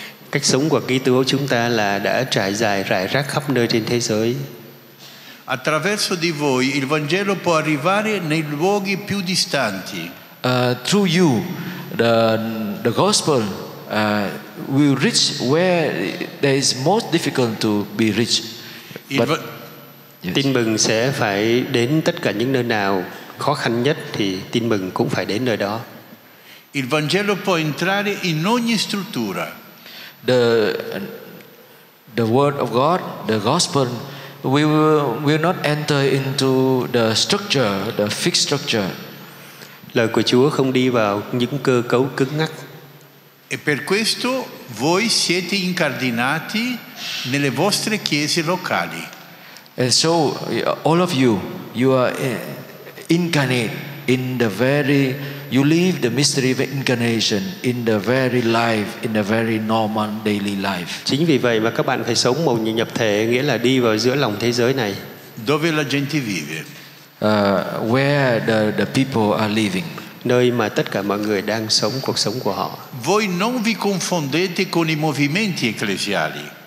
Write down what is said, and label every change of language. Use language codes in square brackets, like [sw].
[vi] Cách sống của Kitô hữu chúng ta là đã trải dài rải rác khắp nơi trên thế giới. [it] Attraverso di voi il Vangelo può arrivare nei luoghi più distanti. [en] Through you the gospel will reach where there is most difficult to be reached. [vi] But, tin mừng sẽ phải đến tất cả những nơi nào khó khăn nhất thì tin mừng cũng phải đến nơi đó. [it] Il Vangelo può entrare in ogni struttura. [en] The word of God, the gospel will not enter into the structure, the fixed structure. [vi] Lời của Chúa không đi vào những cơ cấu cứng ngắc. [it] E per questo voi siete incardinati nelle vostre chiese locali. [en] And so all of you are incarnate in the very, you live the mystery of incarnation in the very life, in the very normal daily life. [vi] Chính vì vậy mà các bạn phải sống mầu nhiệm nhập thể, nghĩa là đi vào giữa lòng thế giới này. [it] Dove la gente vive? [en] Where the people are living. [vi] Nơi mà tất cả mọi người đang sống cuộc sống của họ. [it] Voi non vi confondete con i movimenti ecclesiali.